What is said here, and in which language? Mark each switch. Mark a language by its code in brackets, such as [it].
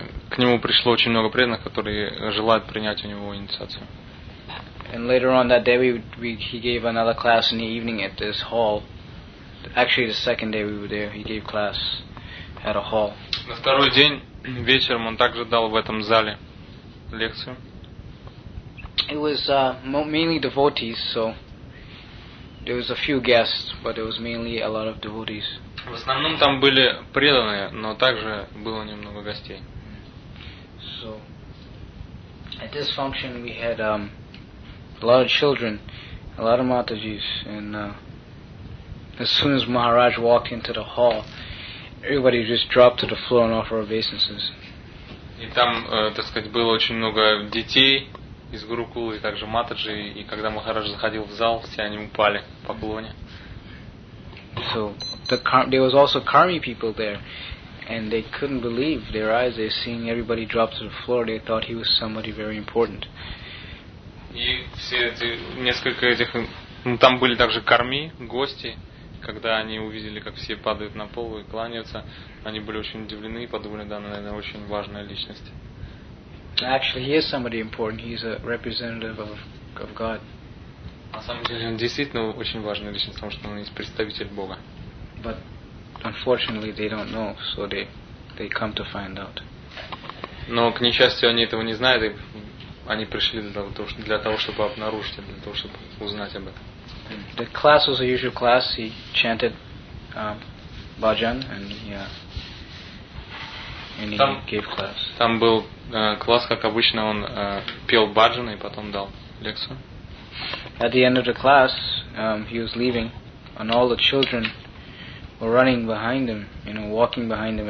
[ru] К нему пришло очень много преданных, которые желают принять у него инициацию. [en] And later on that day, he gave another class in the evening at this hall. Actually, the second day we were there, he gave class at a hall. [ru] На второй день вечером он также дал в этом зале лекцию. [en] It was mainly devotees, so there was a few guests, but it was mainly a lot of devotees. [ru] В основном там были преданные, но также было немного гостей. [en] So at this function we had a lot of children, a lot of Matajis, and as soon as Maharaj walked into the hall, everybody just dropped to the floor and offered obeisances. [ru] И там, так сказать, было очень много детей из Гурукулы и также Матаджи, и когда Махарадж заходил в зал, все они упали в поклоне. [en] So there was also Karmi people there, and they couldn't believe their eyes. They seeing everybody drop to the floor. They thought he was somebody very important. [ru] И все эти несколько этих, ну, там были также Карми, гости. Когда они увидели, как все падают на пол и кланяются, они были очень удивлены и подумали, да, наверное, очень важная личность. [en] Actually, he is somebody important. He is a representative of God. [ru] На самом деле, он действительно очень важная личность, потому что он есть представитель Бога. [en] But unfortunately, they don't know, so they come to find out. [ru] Но, к несчастью, они этого не знают, и они пришли для того, чтобы обнаружить, для того, чтобы узнать об этом. [en] The class was a usual class. He chanted bhajan and he [ru] там, [en] gave class. [ru] Там был класс, как обычно, он пел бхаджан и потом дал лекцию. [en] At the end of the class, he was leaving, and all the children were running behind him, you know, walking behind him.